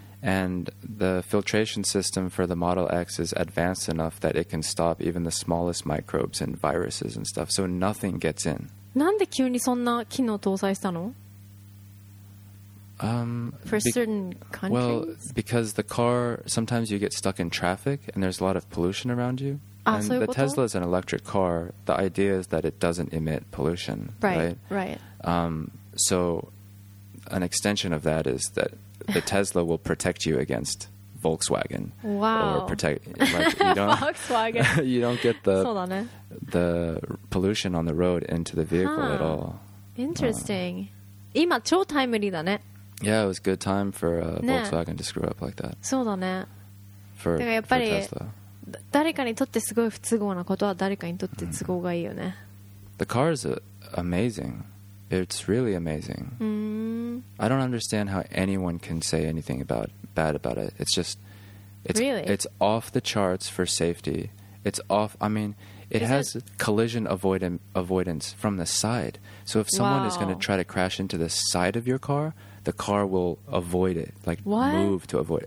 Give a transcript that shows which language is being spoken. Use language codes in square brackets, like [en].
[en] And the filtration system for the Model X is advanced enough that it can stop even the smallest microbes and viruses and stuff, so nothing gets in. [ja] なんで急にそんな機能搭載したの? [en] For certain countries? Well, because the car, sometimes you get stuck in traffic and there's a lot of pollution around you. Ah, and [ja] そういうこと? [en] The Tesla is an electric car. The idea is that it doesn't emit pollution, right? So an extension of that is that the Tesla will protect you against Volkswagen. Wow. Or protect like, you don't, Volkswagen. You don't get the [ja] そうだね。 [en] the pollution on the road into the vehicle at all. Interesting. 今超タイムリーだね。 Yeah, it was good time for Volkswagen to screw up like that. [ja] そうだね。 [en] For Tesla. [ja] 誰かにとってすごい不都合なことは誰かにとって都合がいいよね。 [en] The car is amazing. It's really amazing. I don't understand how anyone can say anything bad about it. It's just, it's off the charts for safety. It's off. I mean, it has collision avoidance from the side. So if someone is going to try to crash into the side of your car, the car will avoid it, like move to avoid.